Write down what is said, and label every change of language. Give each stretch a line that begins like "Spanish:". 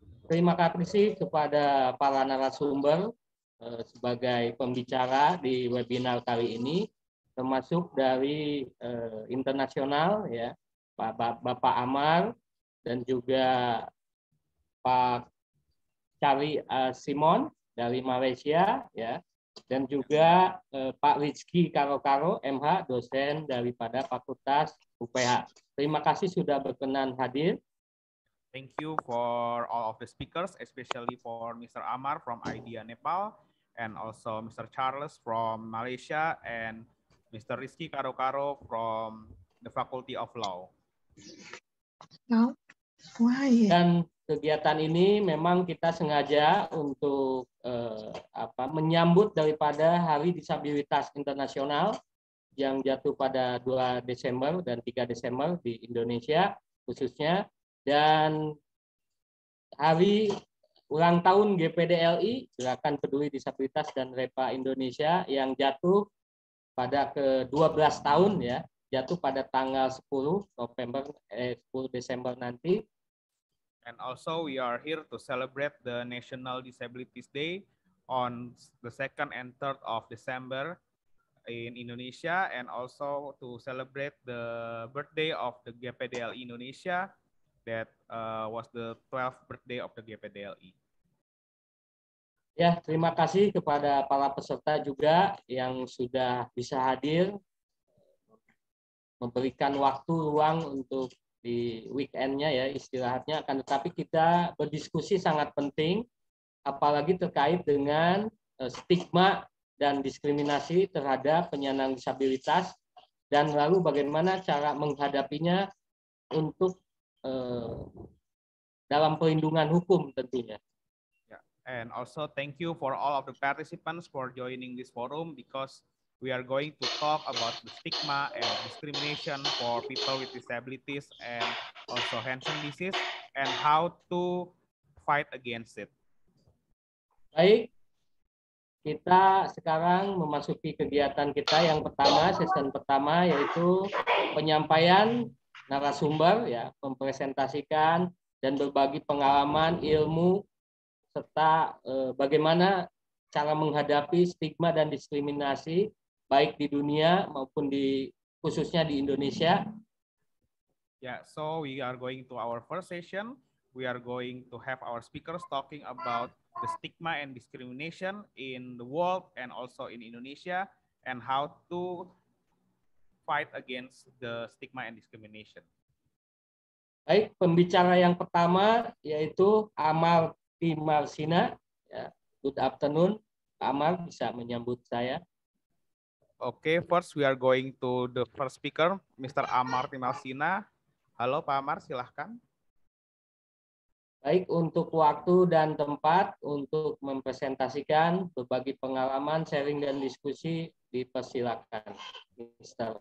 Indonesian: Terima kasih kepada para narasumber sebagai pembicara di webinar kali ini, termasuk dari internasional ya, Bapak Amar dan juga Pak Charlie Simon dari Malaysia ya, dan juga Pak Rizky Karo-Karo MH, dosen daripada Fakultas UPH. Terima kasih sudah berkenan hadir.
English: Thank you for all of the speakers, especially for Mr. Amar from IDEA Nepal, and also Mr. Charles from Malaysia, and Mr. Rizky Karo-Karo from the Faculty of Law. Now, Why?
Indonesian: Dan kegiatan ini memang kita sengaja untuk menyambut daripada Hari Disabilitas Internasional yang jatuh pada 2 Desember dan 3 Desember di Indonesia khususnya, dan hari ulang tahun GPDLI, Gerakan Peduli Disabilitas dan Repa Indonesia, yang jatuh pada ke-12 tahun, ya, jatuh pada tanggal 10 Desember nanti.
English: And also we are here to celebrate the National Disabilities Day on the 2nd and 3rd of December in Indonesia, and also to celebrate the birthday of the GPDLI Indonesia that was the 12th birthday of the GPDLI.
Indonesian: Ya, terima kasih kepada para peserta juga yang sudah bisa hadir, memberikan waktu luang untuk di weekend-nya, ya, istirahatnya. Akan tetapi kita berdiskusi sangat penting, apalagi terkait dengan stigma dan diskriminasi terhadap penyandang disabilitas, dan lalu bagaimana cara menghadapinya untuk dalam perlindungan hukum tentunya.
English: And also thank you for all of the participants for joining this forum, because we are going to talk about the stigma and discrimination for people with disabilities and also Hansen disease and how to fight against it.
Indonesian: Baik, kita sekarang memasuki kegiatan kita yang pertama, sesi pertama, yaitu penyampaian narasumber, ya, mempresentasikan dan berbagi pengalaman, ilmu, serta bagaimana cara menghadapi stigma dan diskriminasi baik di dunia maupun di khususnya di Indonesia.
English: Yeah, so we are going to our first session. We are going to have our speakers talking about the stigma and discrimination in the world and also in Indonesia and how to fight against the stigma and discrimination.
Indonesian: Baik, pembicara yang pertama yaitu Amal Timar Sina, yeah.
English: Good afternoon,
Indonesian: Amar, bisa menyambut saya.
English: Okay, first we are going to the first speaker, Mr.
Indonesian: Amar Timar Sina. Halo, Pak Amar, silahkan. Baik, untuk waktu dan tempat untuk mempresentasikan, berbagi pengalaman, sharing dan diskusi, dipersilakan, Mr.